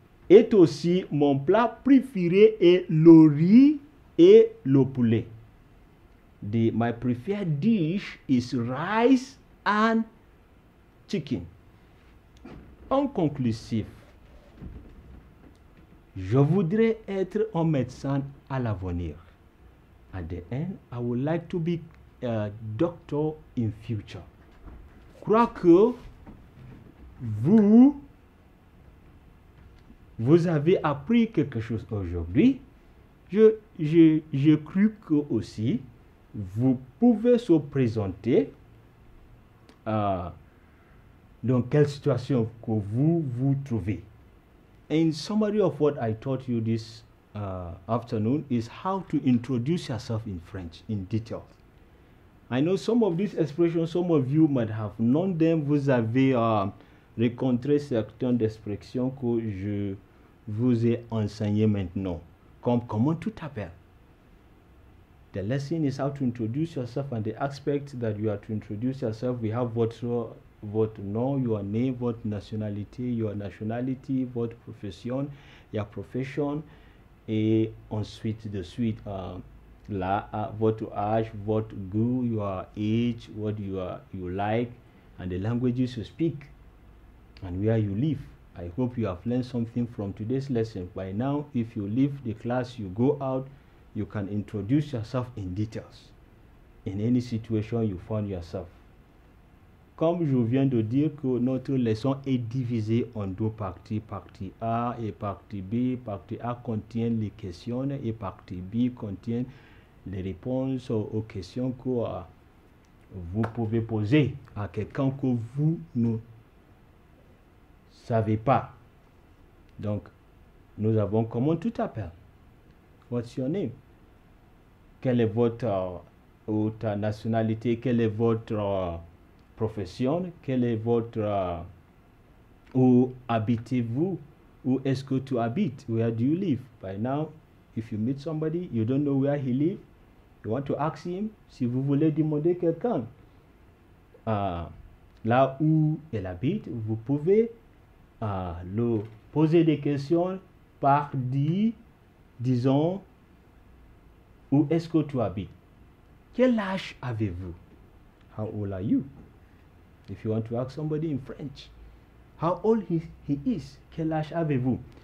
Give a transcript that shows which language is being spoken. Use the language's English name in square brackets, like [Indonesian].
[French] Et aussi, mon plat préféré est le riz et le poulet. [English] My preferred dish is rice and chicken. [French] En conclusif, je voudrais être un médecin à l'avenir. [English] At the end, I would like to be a doctor in future. [French] Crois que vous avez appris quelque chose aujourd'hui. Je crois que aussi vous pouvez se présenter dans quelle situation que vous vous trouvez. [English] In summary of what I taught you this afternoon is how to introduce yourself in French in detail. I know some of these expressions, some of you might have known them. [French] Vous avez rencontrer certaines expressions que je vous ai enseignées maintenant. Comme comment tu t'appelles? [English] The lesson is how to introduce yourself and the aspect that you are to introduce yourself. We have [French] votre nom, [English] your name, [French] votre nationalité, [English] your nationality, [French] votre profession, [English] your profession, [French] et ensuite de suite, votre âge, votre goût, [English] your age, what you like, and the languages you speak, and where you live. I hope you have learned something from today's lesson. By now, if you leave the class, you go out, you can introduce yourself in details, in any situation you find yourself. [French] Comme je viens de dire que notre leçon est divisée en deux parties, partie A et partie B. Partie A contient les questions et partie B contient les réponses aux questions que vous pouvez poser à quelqu'un que vous ne savez pas. Donc, nous avons comment tu t'appelles? [English] What's your name? [French] Quelle est votre ou ta nationalité? Quelle est votre profession? Quelle est votre où habitez-vous? Où est-ce que tu habites? [English] Where do you live? By now, if you meet somebody, you don't know where he lives, you want to ask him. [French] Si vous voulez demander quelqu'un là où elle habite, vous pouvez le poser des questions par disons où est-ce que tu habites? Quel âge avez-vous? [English] How old are you? If you want to ask somebody in French, how old he is, [French] quel âge avez-vous?